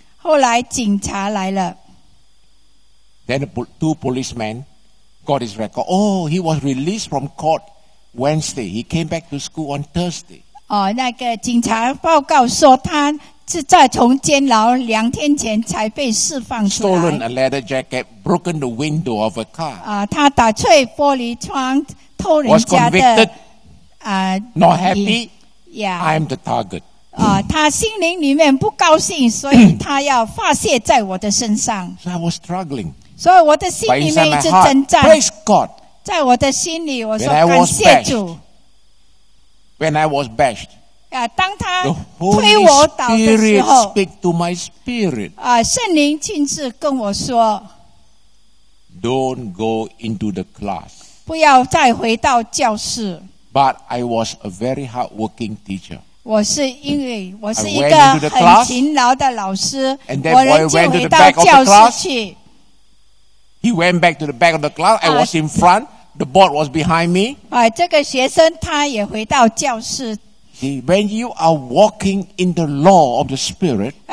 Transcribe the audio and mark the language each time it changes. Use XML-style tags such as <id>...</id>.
<zh>后来警察来了。</zh> <en>Then two policemen got his record. Oh, he was released from court Wednesday. He came back to school on Thursday.</en> <zh>那个警察报告说他。是在从监牢两天前才被释放出来。</zh> <en>Stolen a leather jacket, broken the window of a car.</en> <zh>他打碎玻璃窗，偷人家的。</zh> <en>Was convicted. Not happy. Yeah. I'm the target.</en> <zh>他心灵里面不高兴，所以他要发泄在我的身上。</zh> <en>So I was struggling.</en> <zh>所以我的心里面一直挣扎。</zh> <en>Praise God.</en> <zh>在我的心里，我说感谢主。</zh> <en>When I was bashed.</en> <zh>啊，当他推我倒的时候</zh> <en>，Speak to my spirit.</en> <zh>啊，圣灵亲自跟我说</zh> <en>，Don't go into the class.</en> <zh>不要再回到教室。</zh> <en>But I was a very hardworking teacher.</en> <zh>我是因为我是一个很勤劳的老师，我人就回到教室去。</zh> <en>He went back to the back of the class. I was in front. The board was behind me.</en> <zh>啊，这个学生他也回到教室。</zh> <en>See, when you are walking in the law of the spirit,</en>